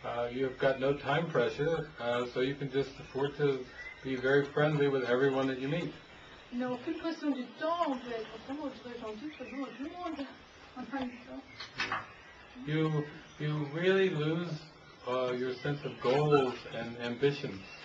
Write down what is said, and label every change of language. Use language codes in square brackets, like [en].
[en] You've got no time pressure, so you can just afford to be very friendly with everyone that you meet. [fr] On n'a aucune pression du temps, on peut être vraiment très gentil, très bon à tout le monde. [en] You really lose your sense of goals and ambitions.